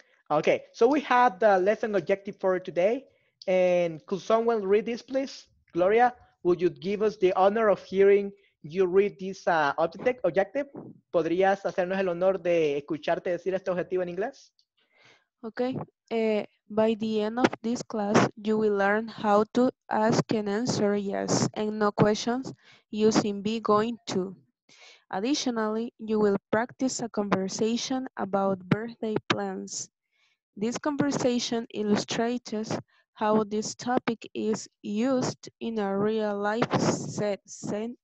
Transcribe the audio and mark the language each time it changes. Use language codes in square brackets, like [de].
[en] Ok, so we have the lesson objective for today. And could someone read this, please? Gloria, would you give us the honor of hearing you read this objective? [es] ¿Podrías hacernos el honor de escucharte decir este objetivo en inglés? Okay. [en] By the end of this class, you will learn how to ask and answer yes and no questions using be going to. Additionally, you will practice a conversation about birthday plans. This conversation illustrates how this topic is used in a real life setting.